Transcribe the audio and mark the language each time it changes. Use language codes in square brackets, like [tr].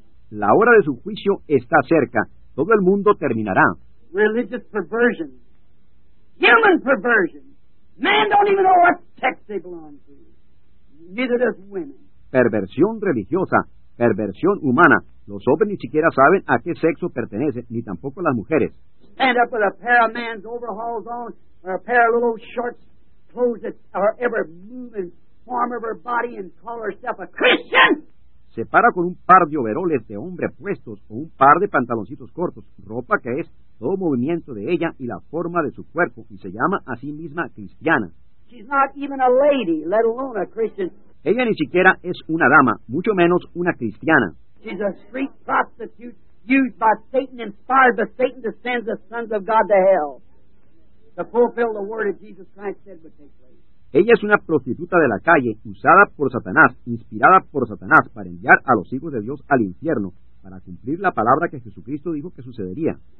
[es] La hora de su juicio está cerca. Todo el mundo terminará. [en] Religious perversion. Human perversion. Men don't even know what sex they belong to. Neither does women. [es] Perversión religiosa. Perversión humana. Los hombres ni siquiera saben a qué sexo pertenecen, ni tampoco las mujeres. [en] Stand up with a pair of man's overalls on, or a pair of little shorts, clothes that are ever moving, form of her body, and call herself a Christian. [es] Se para con un par de overoles de hombre puestos, o un par de pantaloncitos cortos, ropa que es todo movimiento de ella y la forma de su cuerpo, y se llama a sí misma cristiana. [en] She's not even a lady, let alone a Christian. [es] Ella ni siquiera es una dama, mucho menos una cristiana. [en] She's a street prostitute used by Satan, inspired by Satan to send the sons of God to hell to fulfill the word that Jesus Christ said would take place. [es] Ella es una prostituta de la calle, usada por Satanás, inspirada por Satanás para enviar a los hijos de Dios al infierno, para cumplir la palabra que Jesucristo dijo que sucedería.